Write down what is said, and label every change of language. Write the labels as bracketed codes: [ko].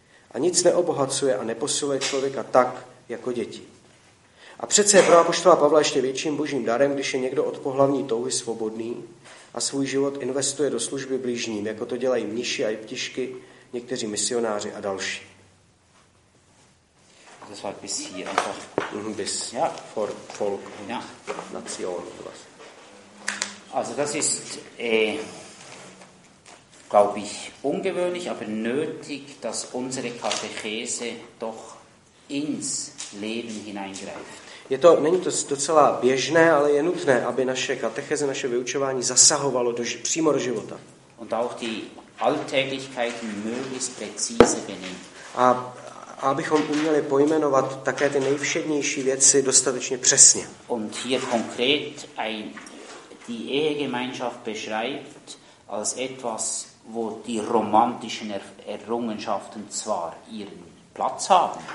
[cs] A nic neobohacuje a neposiluje člověka tak, jako děti. A přece je pro apoštola Pavla ještě větším božím darem, když je někdo od pohlavní touhy svobodný a svůj život investuje do služby blížním, jako to dělají mniši a jeptišky, někteří misionáři a další. [de] Das war bis hier einfach. Bis ja. Vor Volk und ja. Nation und was. Also das ist, glaube ich, ungewöhnlich, aber nötig, dass unsere Katechese doch ins Leben hineingreift. [cs] Je to, není to docela běžné, ale je nutné, aby naše katecheze, naše vyučování zasahovalo přímo do života. [de] Und auch die Alltäglichkeiten möglichst präzise benennt. [cs] A abychom uměli pojmenovat také ty nejvšednější věci dostatečně přesně. [de] Und hier konkret die Ehegemeinschaft beschreibt als etwas, wo die romantischen Errungenschaften zwar ihren Platz haben.